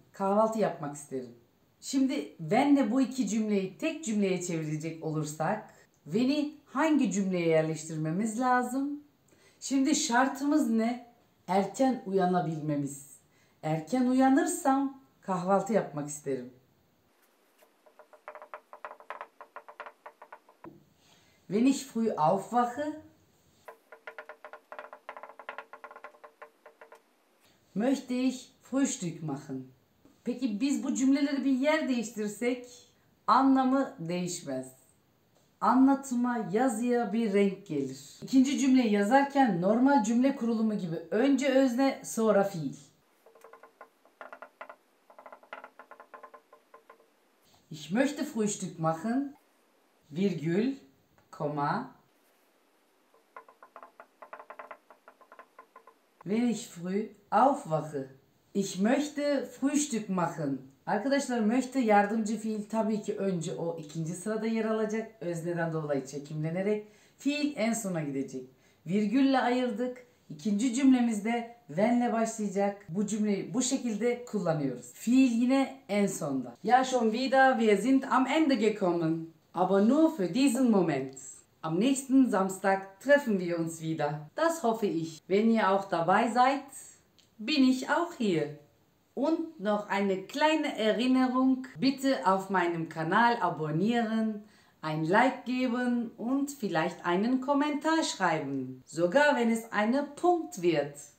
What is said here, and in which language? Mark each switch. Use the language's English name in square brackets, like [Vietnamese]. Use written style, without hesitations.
[Turkish] Kahvaltı yapmak isterim. Şimdi wenn'le bu iki cümleyi tek cümleye çevirecek olursak, wenn'i hangi cümleye yerleştirmemiz lazım? Şimdi şartımız ne? Erken uyanabilmemiz. Erken uyanırsam kahvaltı yapmak isterim. [German] Wenn ich früh aufwache, möchte ich frühstück machen. [Turkish] Peki biz bu cümleleri bir yer değiştirsek anlamı değişmez. Anlatıma, yazıya bir renk gelir. İkinci cümleyi yazarken normal cümle kurulumu gibi önce özne, sonra fiil. [German] Ich möchte frühstück machen, virgül, komma. Wenn ich früh aufwache. Ich möchte frühstück machen. [Turkish] Arkadaşlar, möchte yardımcı fiil tabii ki önce, o ikinci sırada yer alacak. Özneden dolayı çekimlenerek fiil en sona gidecek. Virgülle ayırdık. İkinci cümlemizde wenn'le başlayacak. Bu cümleyi bu şekilde kullanıyoruz. Fiil yine en sonda. [German] Ja schon wieder, wir sind am Ende gekommen. Aber nur für diesen Moment. Am nächsten Samstag treffen wir uns wieder. Das hoffe ich. Wenn ihr auch dabei seid, bin ich auch hier. Und noch eine kleine Erinnerung, bitte auf meinem Kanal abonnieren, ein Like geben und vielleicht einen Kommentar schreiben, sogar wenn es eine Punkt wird.